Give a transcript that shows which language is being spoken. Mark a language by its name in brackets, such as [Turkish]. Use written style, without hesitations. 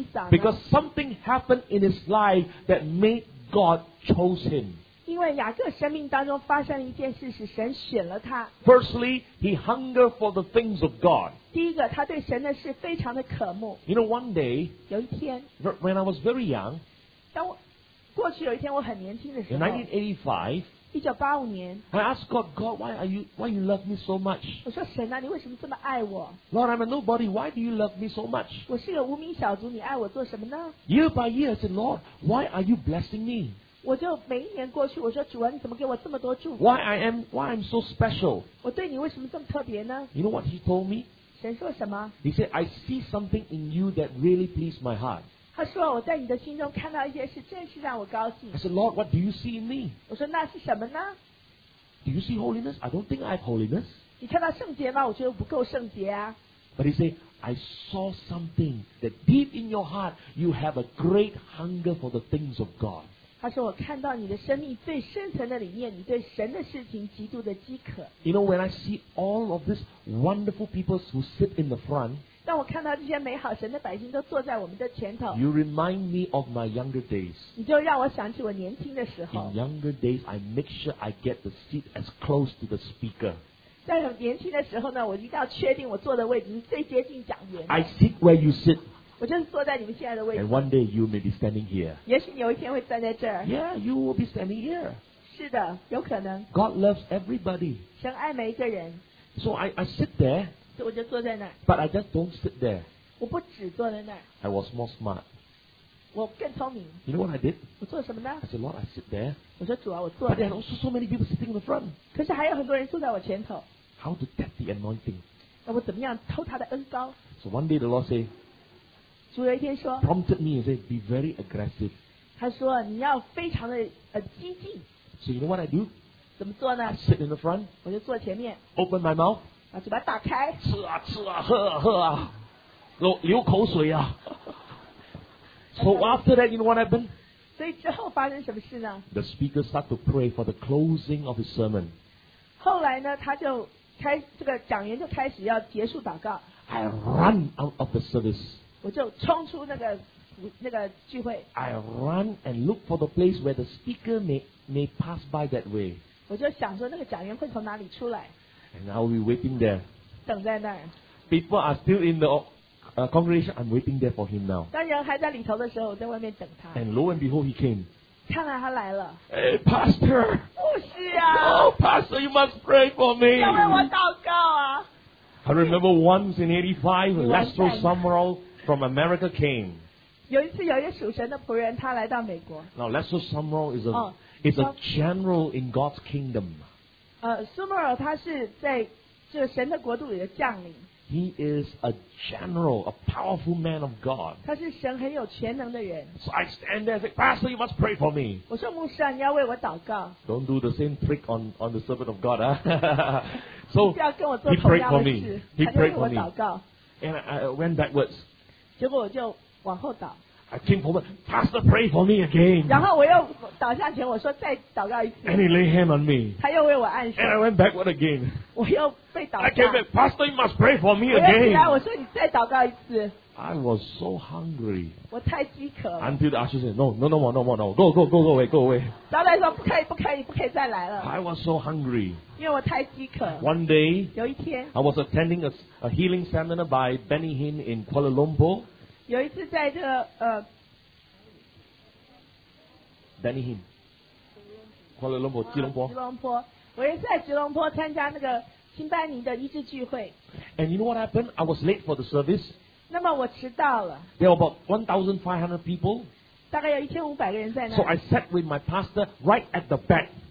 [English] Because something happened in his life that made God chose him. [Chinese] 因为雅各生命当中发生了一件事，使神选了他。 [English] Firstly, he hungered for the things of God. [Chinese] 第一个，他对神的事非常的渴慕。 [English] You know, one day, [Chinese] 有一天 [English] when I was very young, [Chinese] 当我过去有一天我很年轻的时候 [English] in 1985 [Chinese] 年 [English] I asked God, God, why you love me so much? [Chinese] 我说神啊，你为什么这么爱我？ [English] Lord, I'm a nobody. Why do you love me so much? [Chinese] 我是个无名小卒，你爱我做什么呢？ [English] Year by year, I said, Lord, why are you blessing me? [Chinese] 我就每一年过去，我说主啊，你怎么给我这么多祝福？ [English] Why I'm so special? [Chinese] 我对你为什么这么特别呢？ [English] You know what he told me? [Chinese] 神说什么？ [English] He said, I see something in you that really pleased my heart. [Chinese] 他说我在你的心中看到一些事真是让我高兴 [English] I said Lord what do you see in me [Chinese] 我说那是什么呢 [English] Do you see holiness I don't think I have holiness [Chinese] 你看到圣洁吗我觉得不够圣洁啊 [English] But he said I saw something that deep in your heart you have a great hunger for the things of God [Chinese] 他说我看到你的生命最深层的里面你对神的事情极度的饥渴 [English] You know when I see all of these wonderful people who sit in the front [Chinese] 当我看到这些美好神的百姓都坐在我们的前头 [English] You remind me of my younger days [Chinese] 你就让我想起我年轻的时候 [English] In younger days I make sure I get the seat as close to the speaker [Chinese] 在很年轻的时候呢我一定要确定我坐的位置是最接近讲员 [English] I sit where you sit [Chinese] 我就是坐在你们现在的位置 [English] And one day you may be standing here [Chinese] 也许你有一天会站在这儿 [English] Yeah, you will be standing here [Chinese] 是的有可能 [English] God loves everybody [Chinese] 神爱每一个人 [English] So I sit thereBut I just don't sit there. [Chinese] 我不只坐在那儿。 [English] I was more smart. [Chinese] 我更聪明。 [English] You know what I did? [Chinese] 我做什么呢 [English] ？I said, Lord, I sit there. [Chinese] 我说主啊，我坐。 [English] But there are also so many people sitting in the front. [Chinese] 可是还有很多人坐在我前头。 [English] How to tap the anointing? [Chinese] 那我怎么样偷他的恩膏 [English] ？So one day the Lord say. [Chinese] 主有一天说。 [English] Prompted me and said, be very aggressive. [Chinese] 他说你要非常的激进。 [English] So you know what I do? [Chinese] 怎么做呢 [English] ？I sit in the front. [Chinese] 我就坐前面。 [English] Open my mouth. [Chinese] 把嘴巴打开，吃啊吃啊，喝啊喝啊，流口水啊。 [English] So after that, you know what happened? [Chinese] 所以之后发生什么事呢 [English] ？The speaker start to pray for the closing of his sermon. [Chinese] 后来呢，他就开这个讲员就开始要结束祷告。 [English] I run out of the service. [Chinese] 我就冲出那个聚会。 [English] I run and look for the place where the speaker may pass by that way. [Chinese] 我就想说那个讲员会从哪里出来。 [English] And I'll be waiting there. [Chinese] 等在那儿。 [English] People are still in the congregation. I'm waiting there for him now. [Chinese] 当人还在里头的时候，我在外面等他。 [English] And lo and behold, he came. [Chinese] 看来他来了。 [English] Hey, Pastor. [Chinese] 牧师啊。 [English] Oh, Pastor, you must pray for me. [Chinese] 要为我祷告啊。 [English] I remember once in 85, Lester Sumrall from America came. [Chinese] 有一次，有一个属神的仆人，他来到美国。 [English] Now, Lester Sumrall is a general in God's kingdom. [Chinese] Sumer 他是在这个神的国度里的将领。 [English] He is a general, a powerful man of God. [Chinese] 他是神很有权能的人。 [English] So I stand there and say, Pastor, you must pray for me. [Chinese] 我说牧师啊，你要为我祷告。 [English] Don't do the same trick on the servant of God, So he prayed for me. He prayed for me. And I went backwards. [Chinese] 结果我就往后倒。 [English] I came forward, Pastor, pray for me again. [Chinese] 然后我又倒下前，我说再祷告一次。 [English] And he laid hand on me. [Chinese] 他又为我按手。 [English] And I went backward again. [Chinese] 我又被倒下。 [English] I came back, Pastor, you must pray for me again. [Chinese] 我又起来，我说你再祷告一次。 [English] I was so hungry. [Chinese] 我太饥渴了。 [English] Until the usher said, No, go, go, go, go away, go away. [Chinese] 然后他说不可以，不可以，不可以再来了。 [English] I was so hungry. [Chinese] 因为我太饥渴。 [English] One day, [Chinese] 有一天 [English] I was attending a healing seminar by Benny Hinn in Kuala Lumpur. [Chinese] 有一次在这个 [English] Benny Hinn Kuala Lumpur 吉隆坡 [Chinese] 我也在吉隆坡参加那个新班尼的医治聚会。 [English] And you know what happened? I was late for the service. [Chinese] 那么我迟到了。 [English] There were about 1,500 people. [Chinese] 大概有1500个人在那里。 [English] So I sat with my pastor right at the back.